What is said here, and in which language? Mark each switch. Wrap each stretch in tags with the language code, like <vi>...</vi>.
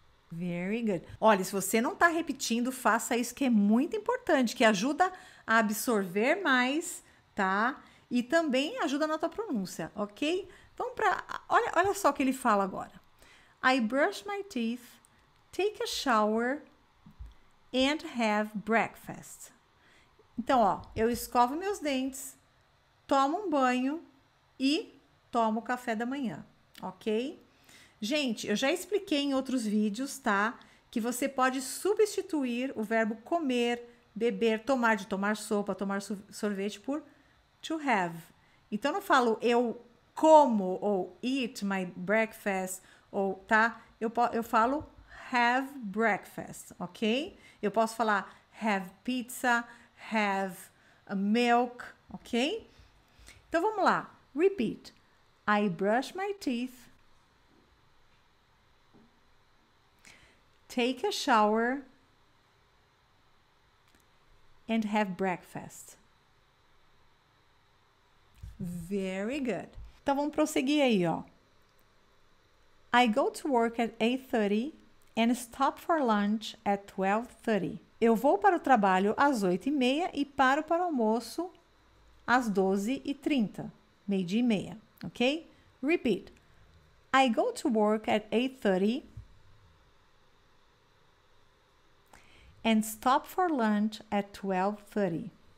<en>Very good.</en> <pt>Olha, se você não está repetindo, faça isso que é muito importante, que ajuda a absorver mais, tá? E também ajuda na tua pronúncia, ok? Então, olha só o que ele fala agora.</pt> <en>I brush my teeth, take a shower and have breakfast.</en> <pt>Então, ó, eu escovo meus dentes, tomo um banho e tomo café da manhã, ok? Gente, eu já expliquei em outros vídeos, tá? Que você pode substituir o verbo comer, beber, tomar, de tomar sopa, tomar sorvete, por</pt> <en>to have.</en> <pt>Então, eu não falo eu como ou</pt> <en>eat my breakfast,</en> <pt>ou, tá? Eu falo</pt> <en>have breakfast,</en> <pt>ok? Eu posso falar</pt> <en>have pizza, have milk,</en> <pt>ok? Então, vamos lá.</pt> <en>Repeat. I brush my teeth. Take a shower and have breakfast. Very good.</en> <pt>Então, vamos prosseguir aí, ó.</pt> <en>I go to work at 8:30 and stop for lunch at 12:30.</en> <pt>Eu vou para o trabalho às 8:30 e paro para o almoço às 12:30, meio dia e meia, ok?</pt> <en>Repeat. I go to work at 8:30. And stop for lunch at 12:30.</en>